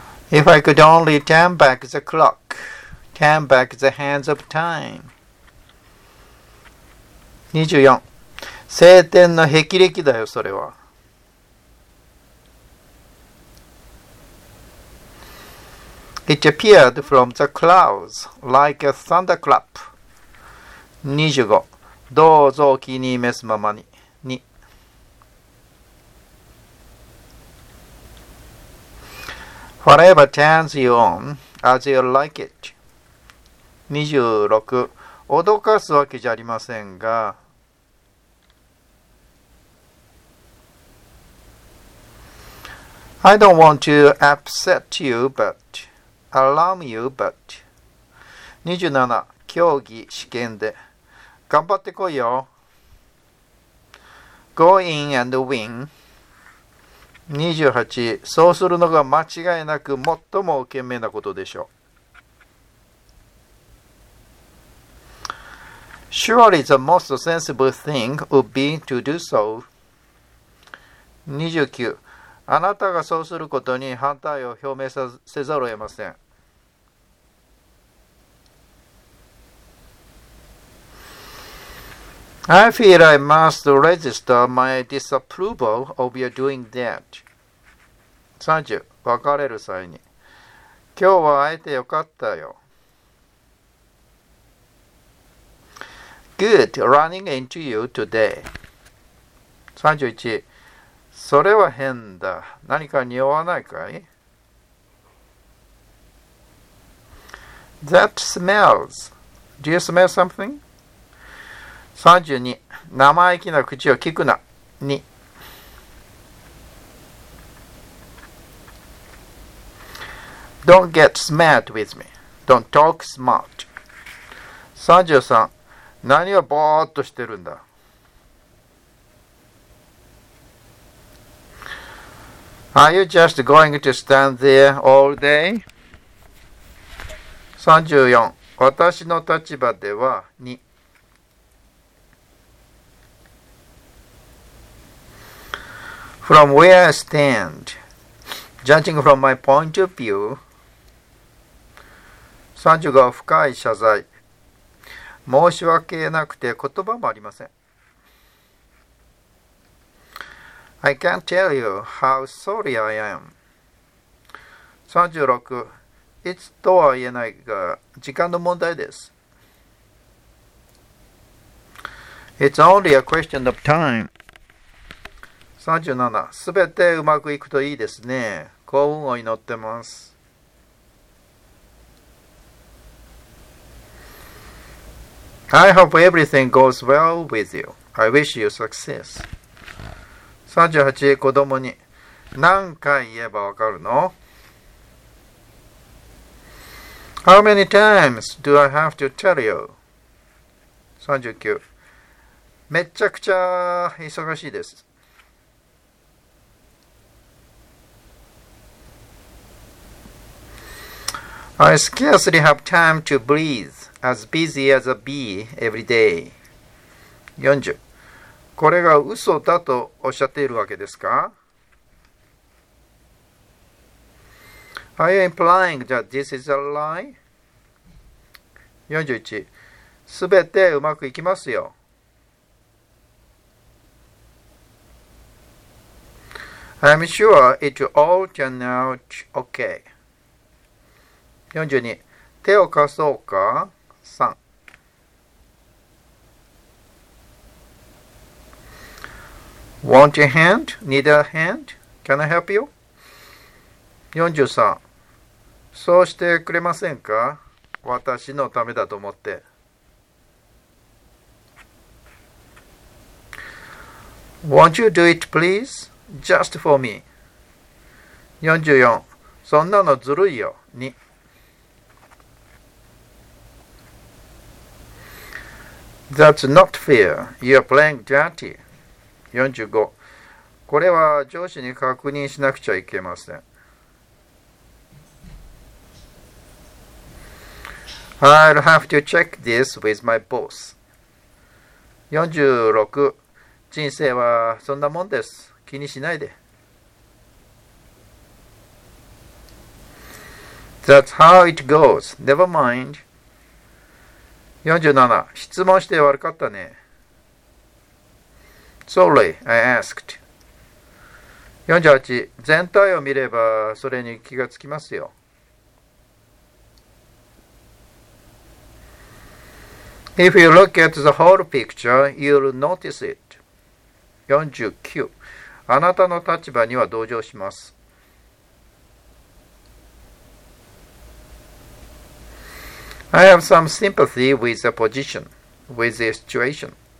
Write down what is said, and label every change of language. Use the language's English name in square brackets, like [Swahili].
[English] If I could only turn back the clock, turn back the hands of time. 24。 [Japanese] 青天の霹靂だよ、それは。 [English] It appeared from the clouds like a thunderclap. 25. [Japanese] どうぞお気に召すままに。 [English] 2。 Whatever turns you on, as you like it. 26. [Japanese] 脅かすわけじゃありませんが。 [English] I don't want to upset you, but alarm you, but 27. [Japanese] 競技、試験で。頑張ってこいよ。 [English] Go in and win. 28. [Japanese] そうするのが間違いなく最も賢明なことでしょう。 [English] Surely the most sensible thing would be to do so. 29. [Japanese] あなたがそうすることに反対を表明せざるを得ません。 [English] I feel I must register my disapproval of your doing that. [Japanese] 30. 別れる際に。今日は会えてよかったよ。 [English] Good running into you today. 31. [Japanese] それは変だ。何か匂わないかい? [English] That smells. Do you smell something? 32. [Japanese] 生意気な口を聞くな。2. [English] Don't get smart with me. Don't talk smart. 33. [Japanese] 何をぼーっとしてるんだ。 [English] Are you just going to stand there all day? [Japanese] 34. 私の立場では2。 [English] From where I stand, judging from my point of view. [Japanese] 35. 深い謝罪。申し訳なくて言葉もありません。 [English] I can't tell you how sorry I am. 36. [Japanese] いつとは言えないが、時間の問題です。 [English] It's only a question of time. 37. [Japanese] すべてうまくいくといいですね。幸運を祈ってます。 [English] I hope everything goes well with you. I wish you success. 38. [Japanese] 子供に何回言えばわかるの? [English] How many times do I have to tell you? 39. [Japanese] めちゃくちゃ忙しいです。 [English] I scarcely have time to breathe, as busy as a bee every day. 40. [Japanese] これが嘘だとおっしゃっているわけですか? [English] Are you implying that this is a lie? 41. [Japanese] すべてうまくいきますよ。 [English] I'm sure it will all turn out okay. [Japanese] 42. 手を貸そうか?3. [English] Want a hand? Need a hand? Can I help you? 43. [Japanese] そうしてくれませんか? 私のためだと思って。 [English] Won't you do it, please? Just for me. 44. [Japanese] そんなのずるいよ。2. [English] That's not fair. You're playing dirty. 45. [Japanese] これは上司に確認しなくちゃいけません。 [English] I'll have to check this with my boss. 46. [Japanese] 人生はそんなもんです。気にしないで。 [English] That's how it goes. Never mind. 47. [Japanese] 質問して悪かったね。 [English] Sorry, I asked. 48. [Japanese] 全体を見ればそれに気がつきますよ。 [English] If you look at the whole picture, you'll notice it. 49. [Japanese] あなたの立場には同情します。 [English] I have some sympathy with the position, with the situation.